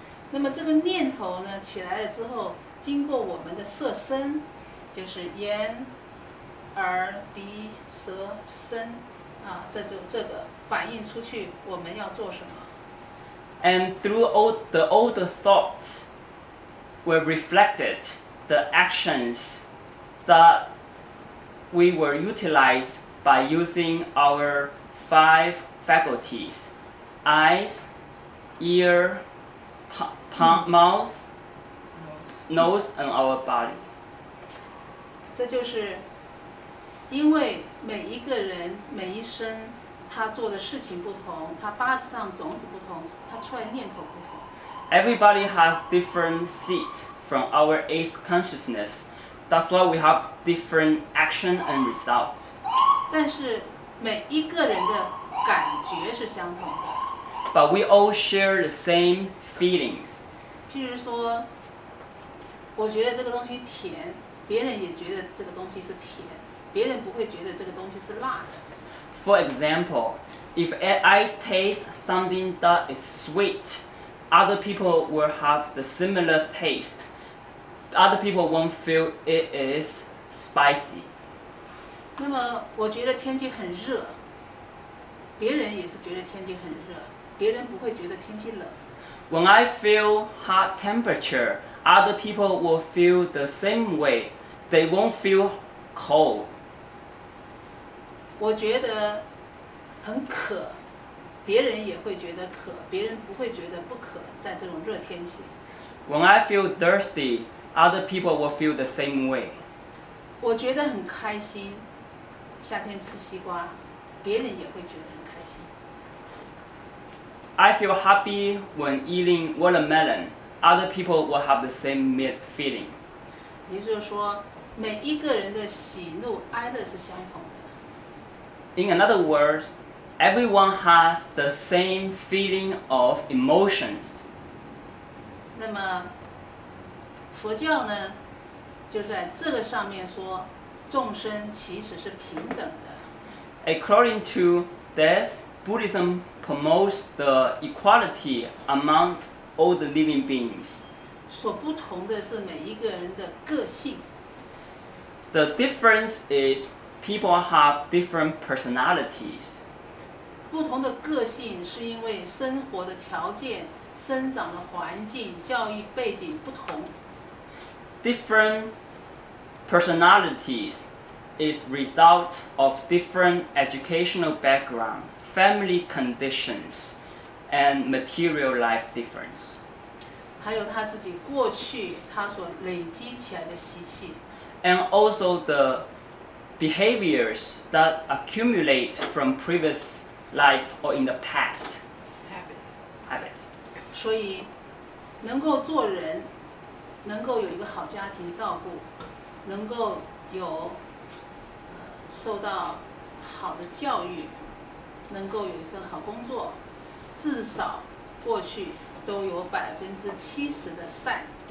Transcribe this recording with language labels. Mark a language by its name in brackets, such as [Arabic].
[Chinese] 那么这个念头呢，起来了之后，经过我们的色身，就是眼、耳、鼻、舌、身，啊，这就这个反映出去，我们要做什么。 [English] And through all the thoughts. Were reflected the actions that we were utilized by using our five faculties eyes, ear, mouth, nose, and our body. [Chinese] 这就是因为每一个人每一生他做的事情不同，他八字上种子不同，他出来念头不同。 [English] Everybody has different seeds from our eighth consciousness. That's why we have different action and results. [Chinese] 但是每一个人的感觉是相同的。 [English] But we all share the same feelings. [Chinese] 就是说，我觉得这个东西甜，别人也觉得这个东西是甜，别人不会觉得这个东西是辣的。 [English] For example, if I taste something that is sweet, other people will have the similar taste. Other people won't feel it is spicy. [Chinese] 那么我觉得天气很热，别人也是觉得天气很热。别人不会觉得天气冷。 [English] When I feel hot temperature, other people will feel the same way. They won't feel cold. [Chinese] 我觉得很渴，别人也会觉得渴，别人不会觉得不渴，在这种热天气。 [English] When I feel thirsty, other people will feel the same way. [Chinese] 我觉得很开心，夏天吃西瓜，别人也会觉得。 [English] I feel happy when eating watermelon. Other people will have the same feeling. [Chinese] 也就是说，每一个人的喜怒哀乐是相同的。 [English] In another words, everyone has the same feeling of emotions. [Chinese] 那么，佛教呢，就在这个上面说，众生其实是平等的。 [English] According to this, Buddhism. Promotes the equality among all the living beings. [Chinese] 所不同的是每一个人的个性。 [English] The difference is people have different personalities. [Chinese] 不同的个性是因为生活的条件、生长的环境、教育背景不同。 [English] Different personalities is result of different educational background. Family conditions and material life difference. [Chinese] 还有他自己过去他所累积起来的习气。 [English] And also the behaviors that accumulate from previous life or in the past. Habit. [Chinese] 所以能够做人，能够有一个好家庭照顾，能够有受到好的教育。能够有一份好工作，至少过去都有70%的善。